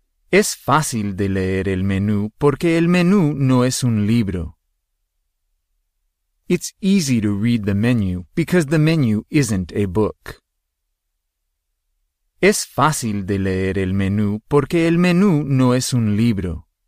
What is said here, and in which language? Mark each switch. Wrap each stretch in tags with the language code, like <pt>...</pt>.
<es>Es fácil de leer el menú porque el menú no es un libro.</es> <en>It's easy to read the menu because the menu isn't a book.</en> <es>Es fácil de leer el menú porque el menú no es un libro.</es>